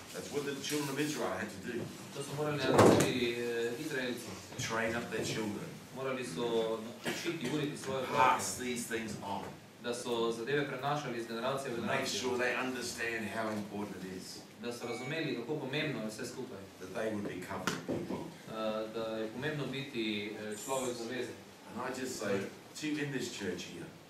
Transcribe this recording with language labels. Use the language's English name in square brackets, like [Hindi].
[English] That's what the children of Israel had to do. [Slovenian] To so morali naredili Izraelci. [English] Train up their children. [Slovenian] Morali so učiti, uriti svoje otroke. [English] Pass these things on. [Slovenian] Da so zadeve prenašali iz generacije v generacijo. [English] Make sure they understand how important it is. [Slovenian] Da so razumeli, kako pomembno je vse skupaj. [English] That they would be covenant people. [Slovenian] Da je pomembno biti človek zaveze. [English] And I just say, to in this church here.